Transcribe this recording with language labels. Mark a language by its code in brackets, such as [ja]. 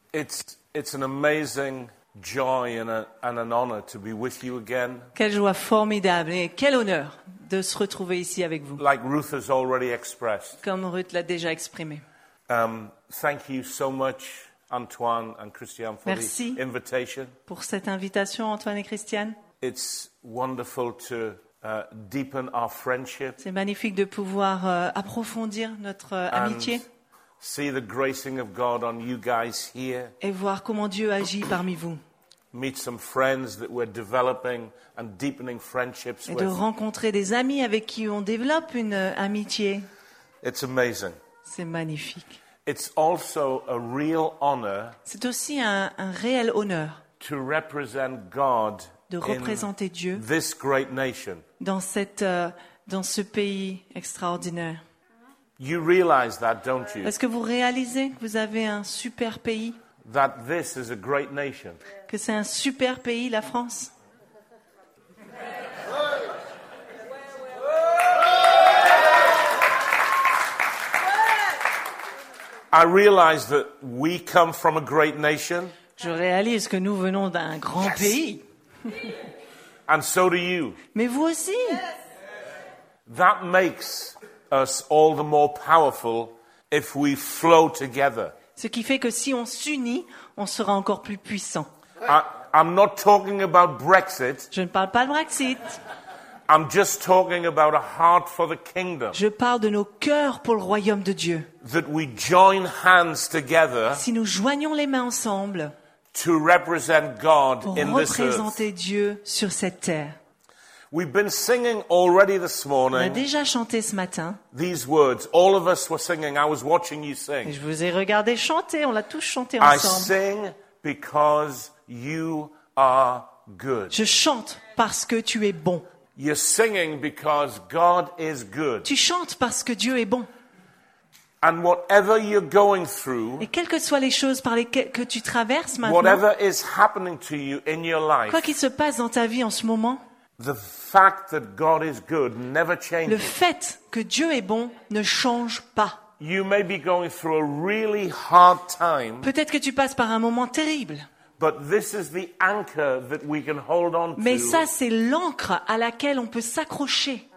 [en] It's an amazing joy and an honor to be with you again. [fr] Quelle joie formidable et quel honneur de se retrouver ici avec vous. [en] Like Ruth has already expressed. [fr] Comme Ruth l'a déjà exprimé. [en] Thank you so much, Antoine and Christiane, for [fr] Merci [en] the invitation. [fr] Pour cette invitation, Antoine et Christiane. [en] It's wonderful to deepen our friendship. [fr] C'est magnifique de pouvoir approfondir notre amitié. [en] See the gracing of God on you guys here. [fr] Et voir comment Dieu agit parmi vous. [en] Meet some friends that we're developing and deepening friendships with. [fr] Et de rencontrer des amis avec qui on développe une amitié. [en] It's amazing. [fr] C'est magnifique. [en] It's also a real honor. [fr] C'est aussi un réel honneur. [en] To represent God. [fr] De représenter Dieu. [en] In this great nation. [fr] Dans ce pays extraordinaire. [en] You realize that, don't you? [fr] Est-ce que vous réalisez que vous avez un super pays? [en] That this is a great nation. [fr] Que c'est un super pays, la France? [en] I realize that we come from a great nation. [fr] Je réalise que nous venons d'un grand [en] yes [fr] pays. [en] And so do you. [fr] Mais vous aussi. Yes. [en] That makes us all the more powerful if we flow together. [fr] Ce qui fait que si on s'unit, on sera encore plus puissant. [en] I'm not talking about Brexit. [fr] Je ne parle pas de Brexit. [en] I'm just talking about a heart for the kingdom. [fr] Je parle de nos cœurs pour le royaume de Dieu. [en] That we join hands together. [fr] Si nous joignons les mains ensemble. [en] To represent God in this earth. [fr] Pour représenter Dieu sur cette terre. [en] We've been singing already this morning. [fr] On a déjà chanté ce matin. [en] These words, all of us were singing. I was watching you sing. [fr] Et je vous ai regardé chanter. On l'a tous chanté ensemble. [en] I sing because you are good. [fr] Je chante parce que tu es bon. [en] You're singing because God is good. [fr] Tu chantes parce que Dieu est bon. [en] And whatever you're going through, [fr] et quelles que soient les choses par lesquelles que tu traverses maintenant, [en] whatever is happening to you in your life, [fr] quoi qu'il se passe dans ta vie en ce moment, [en] the fact that God is good never changes. [fr] Le fait que Dieu est bon ne change pas. [en] You may be going through a really hard time, [fr] peut-être que tu passes par un moment terrible. [en] But this is the anchor that we can hold on to. [fr] Mais ça, c'est l'ancre à laquelle on peut s'accrocher.